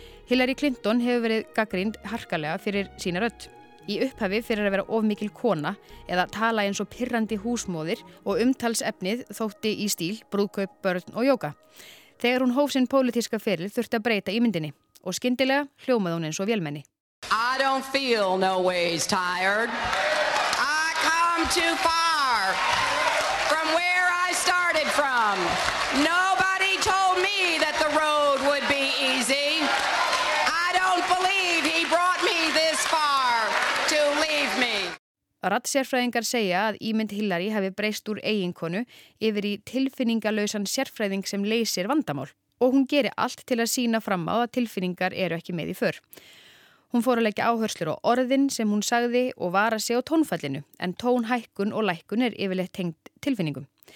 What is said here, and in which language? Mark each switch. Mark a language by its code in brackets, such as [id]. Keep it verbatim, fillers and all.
[is] Hillary Clinton hefur verið gagnrýnd harkalega fyrir sína rödd. Í upphafi fyrir að vera of mikil kona eða tala eins og pirrandi húsmóðir og umtalsefnið þótti í stíl, brúðkaup, börn og jóka. Þegar hún hóf sinn pólitíska feril þurfti að breyta ímyndinni. Og skyndilega hljómaði hún eins og vélmenni. [en] I don't feel no ways tired. I come too far from where I started from. Nobody told me that the road would be easy. I don't believe he brought me this far to leave me. [is] Raddserfræðingar segja að ímynd Hillary hafi breyst úr eiginkonu yfir í tilfinningalausan sérfræðing sem leysir vandamál. Og hún gerir allt til að sína fram á að tilfinningar eru ekki með í för. Hún fór að leggja áherslur á orðin sem hún sagði og vara sig á tónfallinu, en tónhækkun og lækkun er yfirleitt tengd tilfinningum.